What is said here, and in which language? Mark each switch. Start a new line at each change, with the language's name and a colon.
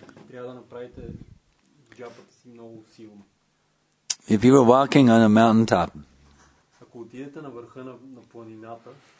Bulgarian: Трябва да направите джапата си много силна.
English: If you were walking on a mountaintop,
Bulgarian: ако отидете на върха на планината,